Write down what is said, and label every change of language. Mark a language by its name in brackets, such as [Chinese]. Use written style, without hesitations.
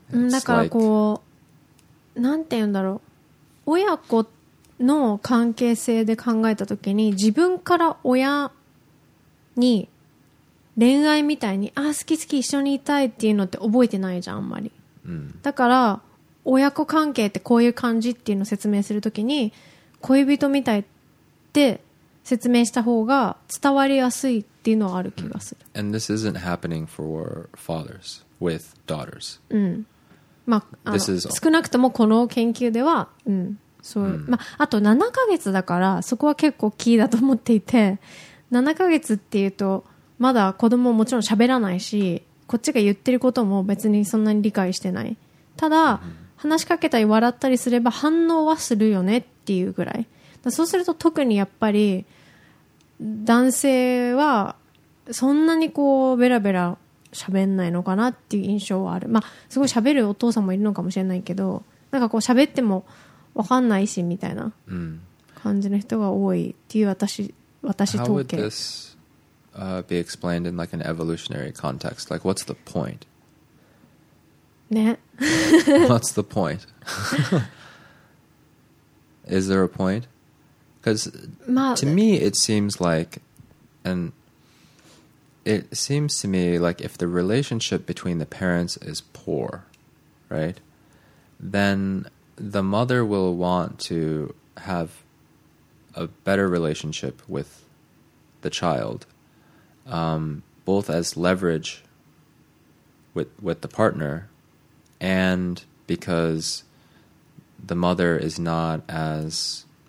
[Japanese] だからこう、なんていうんだろう、親子の関係性で考えたときに、自分から親に恋愛みたいに、あ、好き好き一緒にいたいっていうのって覚えてないじゃん、あんまり。だから親子関係ってこういう感じっていうのを説明するときに恋人みたいって説明した方が伝わりやすいっっていうのはある気がする。 [English] And this isn't happening for fathers with daughters. うん。 [Japanese] まあ、少なくともこの研究では、うん。そう、まあ、あと7ヶ月だから、そこは結構キーだと思っていて、7ヶ月っていうと、まだ子供ももちろん喋らないし、こっちが言ってることも別にそんなに理解してない。ただ、話しかけたり笑ったりすれば反応はするよねっていうぐらい。だそうすると特にやっぱり、男性はそんなにこうベラベラ喋んないのかなっていう印象はある。まあすごい喋るお父さんもいるのかもしれないけど、なんかこう喋っても分かんないしみたいな感じの人が多いっていう私統計。 [English] How would this, be explained in like an evolutionary context? Like what's the point? ね。 What's the point? Is there a point? Because、まあ、to me, it seems like, and it seems to me like if the relationship between the parents is poor, right, then the mother will want to have a better relationship with the child,、both as leverage with the partner and because the mother is not as...